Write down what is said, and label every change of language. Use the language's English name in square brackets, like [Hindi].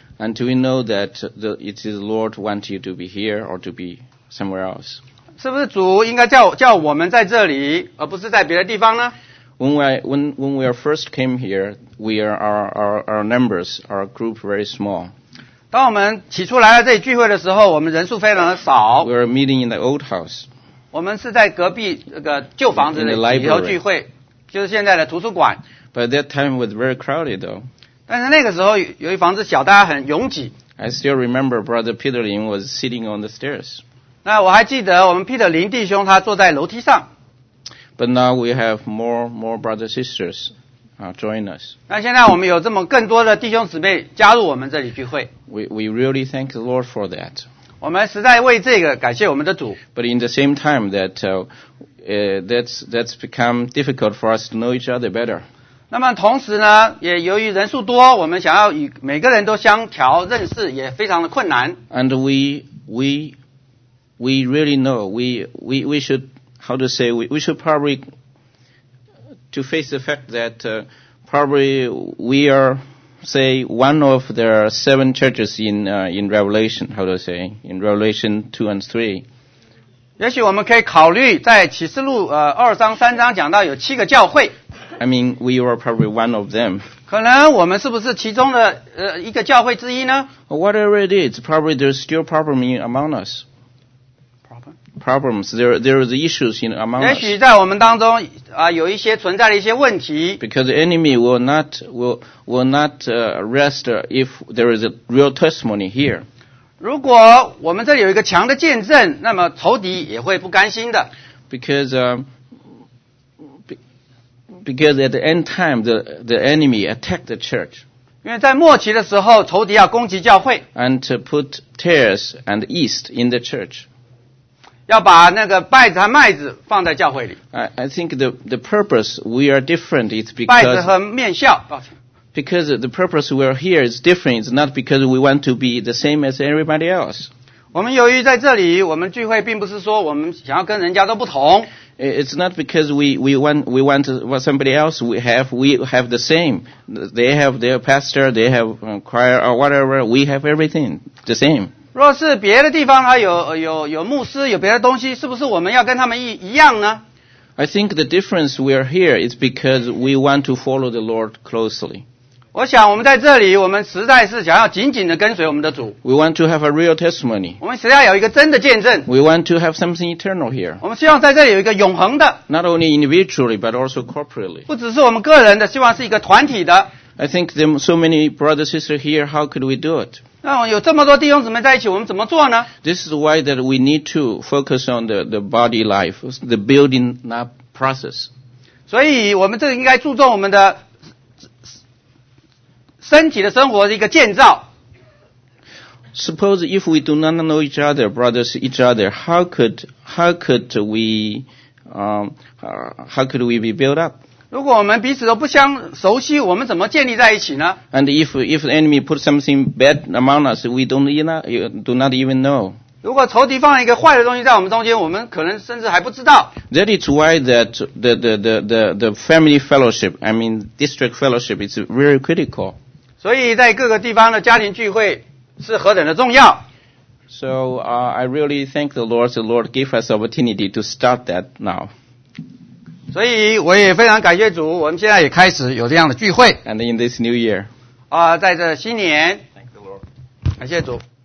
[English] And do we know that it is the Lord wants you to be here or to be somewhere else? [Chinese] 是不是主应该叫我们在这里而不是在别的地方呢？ [English] When we first came here, our numbers, our group very small. [Chinese] 当我们起初来到这里聚会的时候，我们人数非常的少。 [English] We were meeting in the old house. [Chinese] 我们是在隔壁这个旧房子里头聚会，就是现在的图书馆。 [English] But that time was very crowded, though. [Chinese] 但是那个时候由于房子小，大家很拥挤。 [English] I still remember Brother Peter Lin was sitting on the stairs. [Chinese] 那我还记得我们彼得林弟兄他坐在楼梯上。 [English] But now we have more brothers sisters. Join us. [Chinese] 那现在我们有这么更多的弟兄姊妹加入我们这里聚会。 [English] We really thank the Lord for that. [Chinese] 我们实在为这个感谢我们的主。 [English] But in the same time that's become difficult for us to know each other better. [Chinese] 那么同时呢，也由于人数多，我们想要与每个人都相调认识也非常的困难。 [English] And we really know we should how to say we should probably. To face the fact that probably we are, say, one of the seven churches in Revelation, how to say, in Revelation 2 and 3. [Chinese] 也许我们可以考虑在启示录二章三章讲到有七个教会。 [English] I mean, we are probably one of them. [Chinese] 可能我们是不是其中的一个教会之一呢？ [English] Whatever it is, probably there's still problem among us. Problems. There are the issues in among us. [Chinese] 也许在我们当中啊，有一些存在的一些问题。 [English] Because the enemy will not rest if there is a real testimony here. [Chinese] 如果我们这里有一个强的见证，那么仇敌也会不甘心的。 [English] Because at the end time the enemy attacked the church. [Chinese] 因为在末期的时候，仇敌要攻击教会。 [English] And to put tares and yeast in the church. [Chinese] 要把那个稗子和麦子放在教会里。 [English] I think the purpose we are different is because [Chinese] 稗子和面酵。 [English] Because the purpose we are here is different. It's not because we want to be the same as everybody else. [Chinese] 我们由于在这里，我们聚会并不是说我们想要跟人家都不同。 [English] It's not because we want somebody else. We have the same. They have their pastor. They have choir or whatever. We have everything the same. [Chinese] 若是别的地方他有牧师有别的东西，是不是我们要跟他们一样呢？ [English] I think the difference we are here is because we want to follow the Lord closely. [Chinese] 我想我们在这里，我们实在是想要紧紧的跟随我们的主。 [English] We want to have a real testimony. [Chinese] 我们实在有一个真的见证。 [English] We want to have something eternal here. [Chinese] 我们希望在这里有一个永恒的。 [English] Not only individually but also corporately. [Chinese] 不只是我们个人的，希望是一个团体的。 [English] I think there are so many brothers and sisters here. How could we do it? [Chinese] 那有这么多弟兄姊妹在一起，我们怎么做呢？ [English] This is why that we need to focus on the body life, the building up process. [Chinese] 所以我们这应该注重我们的身体的生活的一个建造。 [English] Suppose if we do not know each other, brothers each other, how could we be built up? [Chinese] 如果我们彼此都不相熟悉，我们怎么建立在一起呢？ [English] And if the enemy put something bad among us, we do not even know. [Chinese] 如果仇敌放了一个坏的东西在我们中间，我们可能甚至还不知道。 [English] That is why that the family fellowship, I mean district fellowship, is very critical. [Chinese] 所以在各个地方的家庭聚会是何等的重要。 [English] So, I really thank the Lord. The Lord gave us opportunity to start that now. [Chinese] 所以我也非常感谢主，我们现在也开始有这样的聚会。 [English] And in this new year. [Chinese] 啊，在这新年。 [English] Thank the Lord. [Chinese] 感谢主。